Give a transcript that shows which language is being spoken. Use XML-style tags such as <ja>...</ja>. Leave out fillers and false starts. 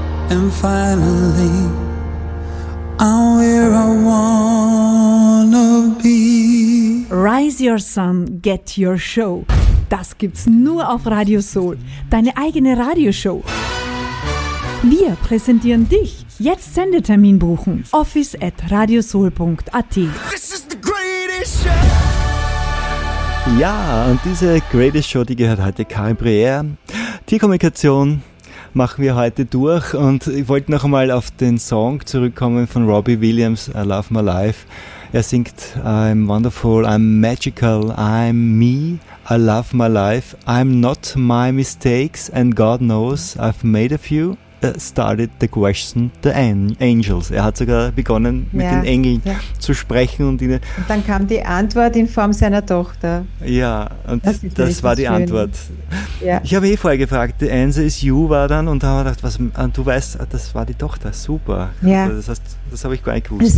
<en>and finally I'm where I wanna be. Rise Your Sun, Get Your Show.</en> <de>Das gibt's nur auf Radio Soul. Deine eigene Radioshow. Wir präsentieren dich. Jetzt Sendetermin buchen. office@radiosoul.at.</de> <en>This is the greatest show.</en> <de>Ja, und diese Greatest Show, die gehört heute Karin Breyer. Tierkommunikation machen wir heute durch. Und ich wollte noch einmal auf den Song zurückkommen von Robbie Williams, I Love My Life. Er singt,</de> <en>I'm wonderful, I'm magical, I'm me, I love my life, I'm not my mistakes, and God knows I've made a few, started the question, the angels.</en> <de>Er hat sogar begonnen, mit den Engeln zu sprechen. Und dann kam die Antwort in Form seiner Tochter. Ja, und das war die Antwort. Ja. Ich habe vorher gefragt,</de> <en>the answer is you</en> <de>war dann, und da haben wir gedacht, was, und du weißt, das war die Tochter, super. Ja. Das heißt, das habe ich gar nicht gewusst.</de>